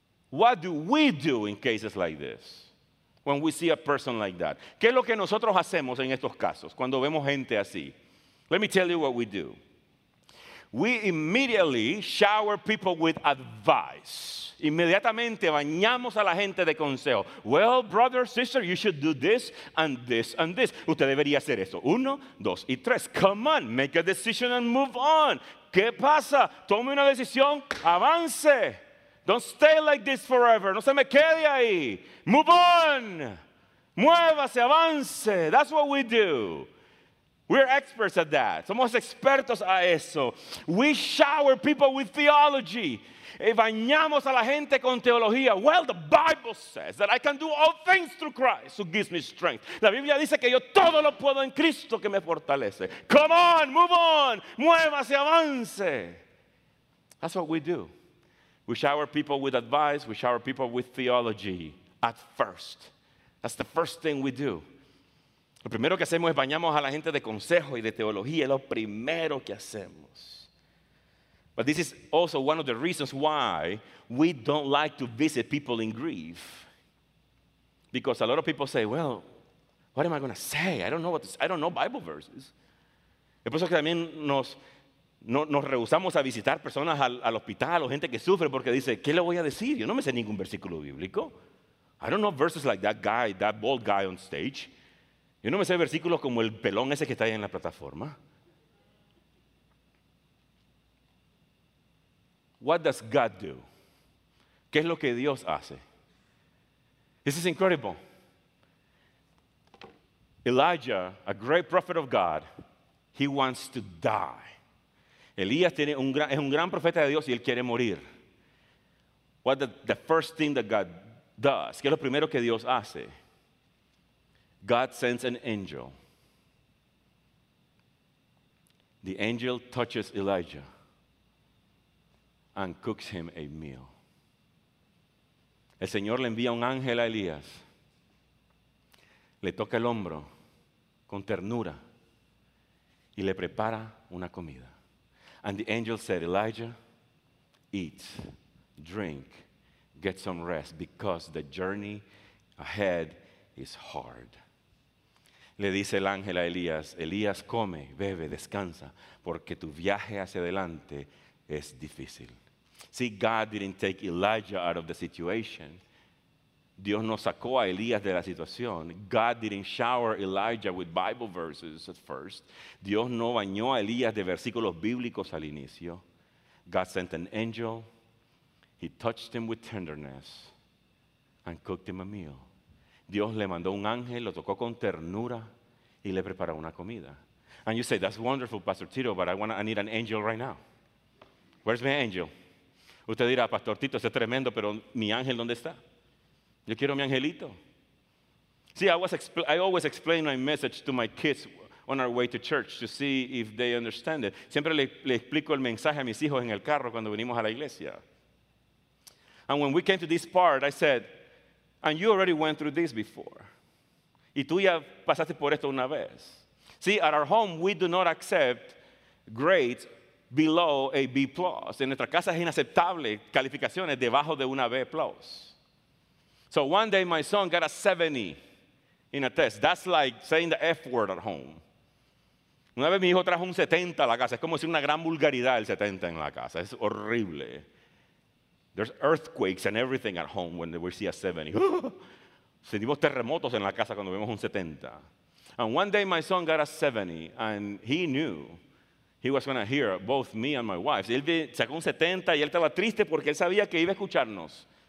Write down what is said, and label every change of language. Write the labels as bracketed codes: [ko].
[en] What do we do in cases like this? When we see a person like that. [es] ¿Qué es lo que nosotros hacemos en estos casos cuando vemos gente así? [en] Let me tell you what we do. We immediately shower people with advice. [es] Inmediatamente bañamos a la gente de consejo. [en] Well, brother, sister, you should do this and this and this. [es] Usted debería hacer eso. Uno, dos y tres. [en] Come on, make a decision and move on. [es] ¿Qué pasa? Tome una decisión, avance. [en] Don't stay like this forever. [es] No se me quede ahí. [en] Move on. [es] Muévase, avance. [en] That's what we do. We're experts at that. [es] Somos expertos a eso. [en] We shower people with theology. [es] Y bañamos a la gente con teología. [en] Well, the Bible says that I can do all things through Christ who gives me strength. [es] La Biblia dice que yo todo lo puedo en Cristo que me fortalece. [en] Come on, move on. [es] Muévase, avance. [en] That's what we do. We shower people with advice. We shower people with theology at first. That's the first thing we do. [es] Lo primero que hacemos es bañamos a la gente de consejo y de teología. Es lo primero que hacemos. [en] But this is also one of the reasons why we don't like to visit people in grief. Because a lot of people say, well, what am I going to say? I don't know Bible verses. [es] Es por eso que también nos rehusamos a visitar personas al hospital o gente que sufre porque dice, ¿qué le voy a decir? Yo no me sé ningún versículo bíblico. [en] I don't know verses like that guy, that bald guy on stage. [es] Yo no me sé versículos como el pelón ese que está ahí en la plataforma. [en] What does God do? [es] ¿Qué es lo que Dios hace? [en] This is incredible. Elijah, a great prophet of God, he wants to die. [es] Elías tiene un gran, es un gran profeta de Dios y él quiere morir. [en] What the first thing that God does? [es] ¿Qué es lo primero que Dios hace? [en] God sends an angel. The angel touches Elijah and cooks him a meal. [es] El Señor le envía un ángel a Elías. Le toca el hombro con ternura y le prepara una comida. [en] And the angel said, Elijah, eat, drink, get some rest because the journey ahead is hard. [es] Le dice el ángel a Elías, Elías, come, bebe, descansa, porque tu viaje hacia adelante es difícil. [en] See, God didn't take Elijah out of the situation. [es] Dios no sacó a Elías de la situación. [en] God didn't shower Elijah with Bible verses at first. [es] Dios no bañó a Elías de versículos bíblicos al inicio. [en] God sent an angel. He touched him with tenderness and cooked him a meal. [es] Dios le mandó un ángel, lo tocó con ternura y le preparó una comida. [en] And you say, that's wonderful, Pastor Tito, but I need an angel right now. Where's my angel? [es] Usted dirá, Pastor Tito, eso es tremendo, pero mi ángel, ¿dónde está? Yo quiero mi angelito. [en] See, I always explain my message to my kids on our way to church to see if they understand it. [es] Siempre le explico el mensaje a mis hijos en el carro cuando venimos a la iglesia. [en] And when we came to this part, I said, and you already went through this before. [es] Y tú ya pasaste por esto una vez. [en] See, at our home, we do not accept grades below a B+. [es] En nuestra casa es inaceptable calificaciones debajo de una B+. [en] So one day my son got a 70 in a test. That's like saying the F word at home. [es] Una vez mi hijo trajo un 70 a la casa. Es como si una gran vulgaridad el 70 en la casa. Es horrible. [en] There's earthquakes and everything at home when we see a 70. [es] Sentimos terremotos en la casa cuando vemos un 70. [en] And one day my son got a 70 and he knew he was going to hear both me and my wife. [es] Él sacó un 70 y él estaba triste porque él sabía que iba a escucharnos.